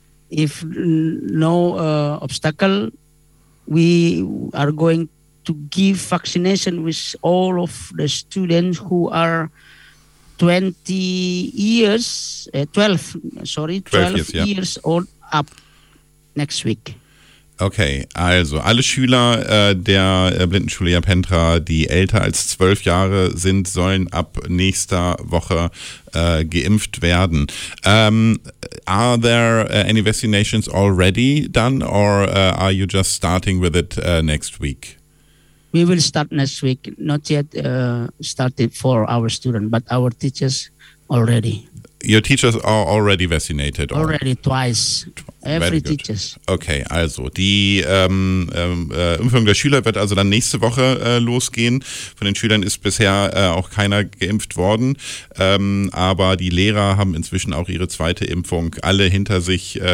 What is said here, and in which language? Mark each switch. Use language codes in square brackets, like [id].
[en] If no obstacle, we are going to give vaccination with all of the students who are 12 years old up next week. [de] Okay, also alle Schüler der Blindenschule Japentra, die älter als 12 Jahre sind, sollen ab nächster Woche geimpft werden. [en] Are there any vaccinations already done, or are you just starting with it next week? We will start next week, not yet started for our students, but our teachers already. Your teachers are already vaccinated? Already, twice. Every teachers. [de] Okay, also die Impfung der Schüler wird also dann nächste Woche losgehen. Von den Schülern ist bisher auch keiner geimpft worden, aber die Lehrer haben inzwischen auch ihre zweite Impfung alle hinter sich.